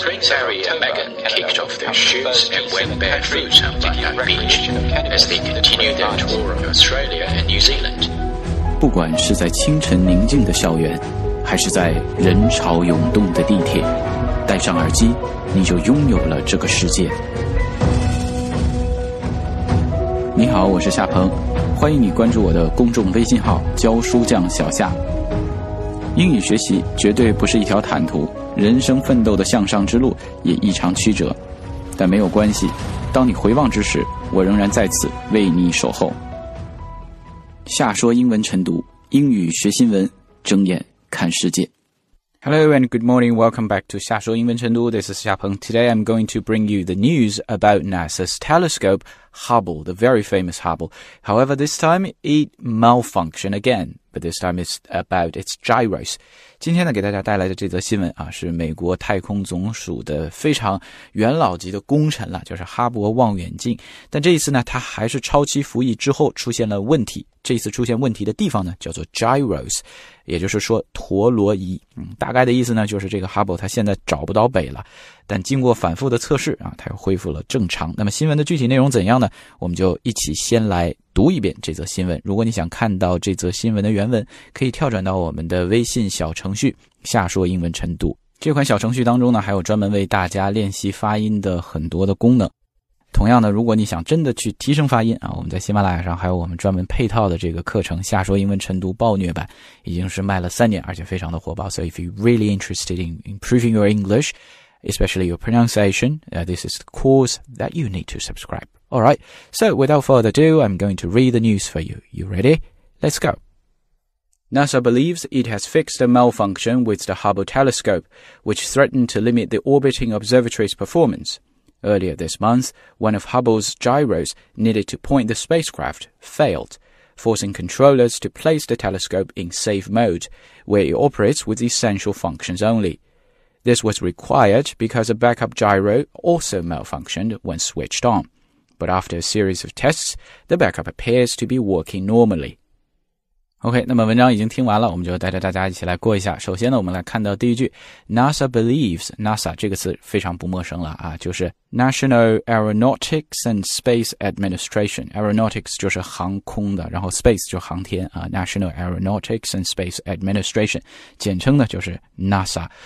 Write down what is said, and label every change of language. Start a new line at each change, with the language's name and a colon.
English: Prince Harry and Meghan kicked off their shoots and went barefoot on Bundang Beach as they continued their tour of Australia and New Zealand.
Chinese: 不管是在清晨宁静的校园，还是在人潮涌动的地铁，戴上耳机，你就拥有了这个世界。你好，我是夏鹏，欢迎你关注我的公众微信号教书匠小夏。英语学习绝对不是一条坦途，人生奋斗的向上之路也异常曲折，但没有关系，当你回望之时，我仍然在此为你守候。夏说英文晨读，英语学新闻，睁眼看世界。
English: Hello and good morning. Welcome back to 夏说英文晨读.This is 夏鹏. Today I'm going to bring you the news about NASA's telescope Hubble, the very famous Hubble. However, this time it malfunctioned again, but this time it's about its gyros.
Chinese: 今天呢，给大家带来的这则新闻啊，是美国太空总署的非常元老级的功臣了，就是哈勃望远镜。但这一次呢，它还是超期服役之后出现了问题。这一次出现问题的地方呢，叫做 gyros， 也就是说陀螺仪。大概的意思呢，就是这个 Hubble 它现在找不到北了，但经过反复的测试啊，它又恢复了正常。那么新闻的具体内容怎样呢？我们就一起先来读一遍这则新闻。如果你想看到这则新闻的原文，可以跳转到我们的微信小程序“下说英文晨读”这款小程序当中呢，还有专门为大家练习发音的很多的功能。同样呢，如果你想真的去提升发音啊，我们在喜马拉雅上还有我们专门配套的这个课程下说英文晨读暴虐版，已经是卖了三年，而且非常的火爆。
English: So if you're really interested in improving your English, especially your pronunciation, this is the course that you need to subscribe. Alright, so without further ado, I'm going to read the news for you. You ready? Let's go. NASA believes it has fixed a malfunction with the Hubble telescope, which threatened to limit the orbiting observatory's performance. Earlier this month, one of Hubble's gyros needed to point the spacecraft failed, forcing controllers to place the telescope in safe mode, where it operates with essential functions only. This was required because a backup gyro also malfunctioned when switched on. But after a series of tests, the backup appears to be working normally.
Chinese: OK, 那么文章已经听完了，我们就带着大家一起来过一下。首先呢，我们来看到第一句
English: NASA believes,
Chinese: NASA 这个词非常不陌生了啊，就是 National Aeronautics and Space Administration. Aeronautics 就是航空的，然后 Space 就航天啊， National Aeronautics and Space Administration 简称呢就是 NASA.